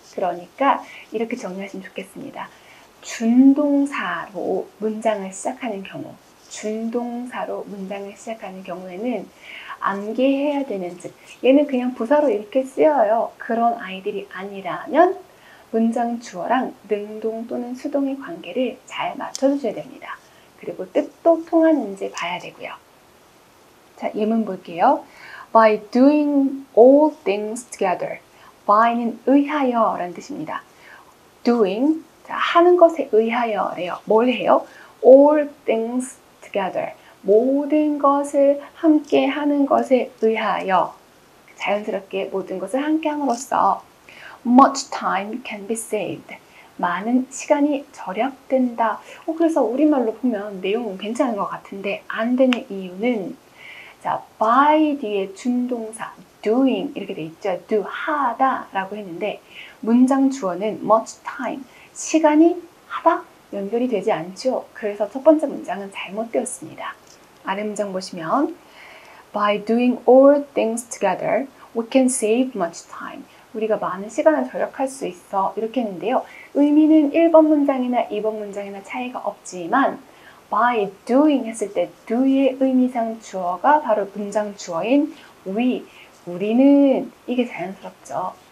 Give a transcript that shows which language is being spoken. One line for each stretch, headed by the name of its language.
Korean: 그러니까 이렇게 정리하시면 좋겠습니다. 준동사로 문장을 시작하는 경우, 준동사로 문장을 시작하는 경우에는 암기해야 되는 즉, 얘는 그냥 부사로 이렇게 쓰여요. 그런 아이들이 아니라면 문장 주어랑 능동 또는 수동의 관계를 잘 맞춰주셔야 됩니다. 그리고 뜻도 통하는지 봐야 되고요. 자, 예문 볼게요.
English: By doing all things together.
Korean: By는 의하여 라는 뜻입니다. Doing, 자, 하는 것에 의하여 래요. 뭘 해요?
English: All things together.
Korean: 모든 것을 함께 하는 것에 의하여. 자연스럽게 모든 것을 함께 함으로써
English: Much time can be saved.
Korean: 많은 시간이 절약된다. 그래서 우리말로 보면 내용은 괜찮은 것 같은데 안 되는 이유는 자, by 뒤에 준동사, doing 이렇게 돼 있죠. do, 하다 라고 했는데 문장 주어는 much time, 시간이 하다 연결이 되지 않죠. 그래서 첫 번째 문장은 잘못되었습니다. 아래 문장 보시면
English: by doing all things together, we can save much time.
Korean: 우리가 많은 시간을 절약할 수 있어 이렇게 했는데요. 의미는 1번 문장이나 2번 문장이나 차이가 없지만 by doing 했을 때 do의 의미상 주어가 바로 문장 주어인 we, 우리는 이게 자연스럽죠.